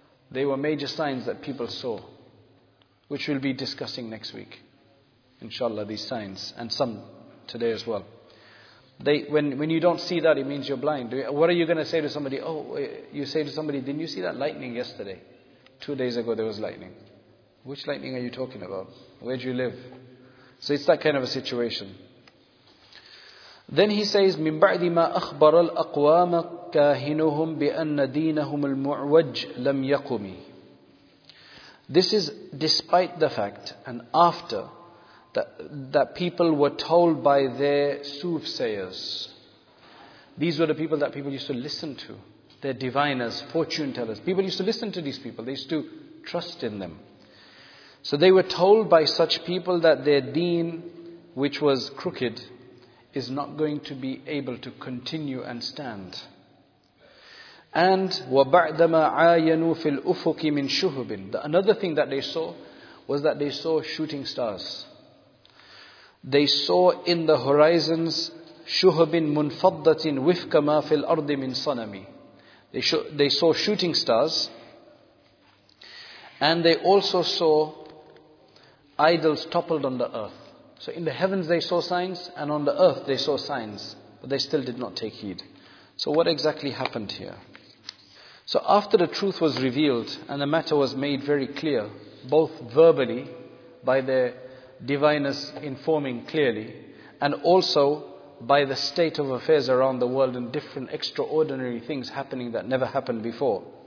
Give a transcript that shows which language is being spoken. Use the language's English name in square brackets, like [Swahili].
[English] They were major signs that people saw, which we'll be discussing next week. Inshallah, these signs, and some today as well. When you don't see that, it means you're blind. What are you going to say to somebody? Oh, you say to somebody, didn't you see that lightning yesterday? 2 days ago there was lightning. Which lightning are you talking about? Where do you live? So it's that kind of a situation. Then he says, [Arabic] مِن بَعْدِ مَا أَخْبَرَ الْأَقْوَامَ كَاهِنُهُمْ بِأَنَّ دِينَهُمُ الْمُعْوَجْ لَمْ يَقُمِ. [English] This is despite the fact and after that people were told by their soothsayers. These were the people that people used to listen to. Their diviners, fortune tellers. People used to listen to these people. They used to trust in them. So they were told by such people that their deen, which was crooked, is not going to be able to continue and stand. [Arabic] And وَبَعْدَمَا عَايَنُوا فِي الْأُفُقِ مِنْ شُهُبٍ. [English] Another thing that they saw was that they saw shooting stars. They saw in the horizons [Arabic] شُهُبٍ مُنْفَضَّةٍ وِفْكَ مَا فِي الْأَرْضِ مِنْ صَنَمِ. [English] They saw shooting stars, and they also saw idols toppled on the earth. So in the heavens they saw signs, and on the earth they saw signs, but they still did not take heed. So what exactly happened here? So after the truth was revealed and the matter was made very clear, both verbally by their diviners informing clearly, and also by the state of affairs around the world and different extraordinary things happening that never happened before.